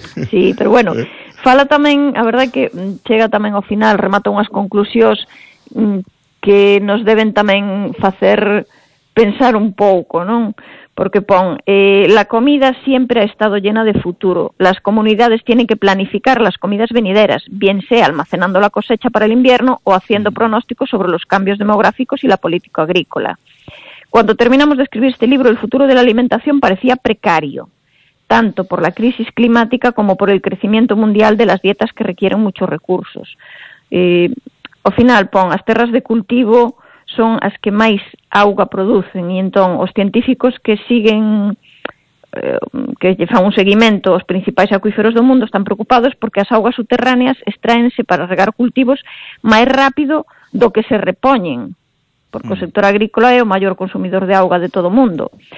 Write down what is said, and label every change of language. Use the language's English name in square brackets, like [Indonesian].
[Galician] Sí, pero bueno, fala tamén, a verdade que chega tamén ao final, remata unhas conclusións que nos deben tamén facer pensar un pouco, non? [Spanish] Porque pon, la comida siempre ha estado llena de futuro. Las comunidades tienen que planificar las comidas venideras, bien sea almacenando la cosecha para el invierno o haciendo pronósticos sobre los cambios demográficos y la política agrícola. Cuando terminamos de escribir este libro, el futuro de la alimentación parecía precario, tanto por la crisis climática como por el crecimiento mundial de las dietas que requieren muchos recursos. [Galician] Al final, pon, [Spanish] las tierras de cultivo [Galician] son as que máis auga producen, e entón os científicos que siguen, que lle fan un seguimento aos principais acuíferos do mundo, están preocupados porque as augas subterráneas extraense para regar cultivos máis rápido do que se repoñen, porque o sector agrícola é o maior consumidor de auga de todo o mundo.